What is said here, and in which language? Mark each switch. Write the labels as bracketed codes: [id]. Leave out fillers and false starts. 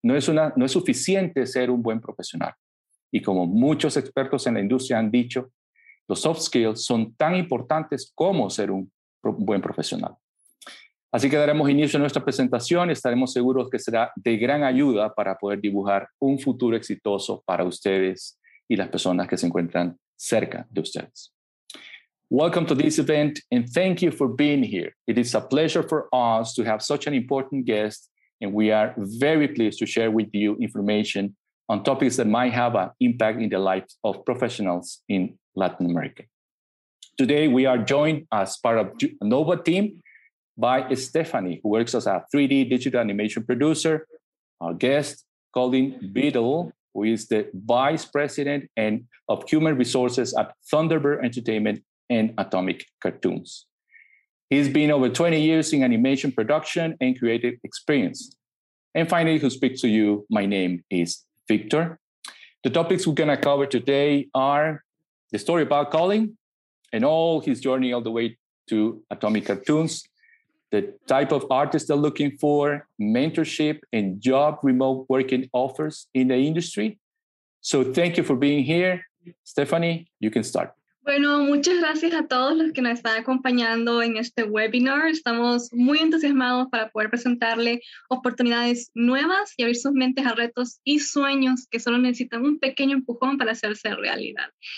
[es] No es suficiente ser un buen profesional. Y como muchos expertos en la industria han dicho, los soft skills son tan importantes como ser un buen profesional. Así que daremos inicio a nuestra presentación. Estaremos seguros que será de gran ayuda para poder dibujar un futuro exitoso para ustedes y las personas que se encuentran cerca de ustedes. [en] Welcome to this event and thank you for being here. It is a pleasure for us to have such an important guest and we are very pleased to share with you information on topics that might have an impact in the lives of professionals in Latin America. Today we are joined as part of the Nova team by Stephanie, who works as a 3D digital animation producer, our guest Colin Beadle, who is the Vice President and of Human Resources at Thunderbird Entertainment and Atomic Cartoons. He's been over 20 years in animation production and creative experience. And finally, who speaks to you, my name is Victor. The topics we're gonna cover today are the story about Colin and all his journey all the way to Atomic Cartoons, the type of artist they're looking for, mentorship and job remote working offers in the industry. So thank you for being here. Stephanie, you can start. [es] Bueno, muchas gracias a todos los que nos están acompañando en este webinar. Estamos muy entusiasmados para poder presentarle oportunidades nuevas y abrir sus mentes a retos y sueños que solo necesitan un pequeño empujón para hacerse realidad.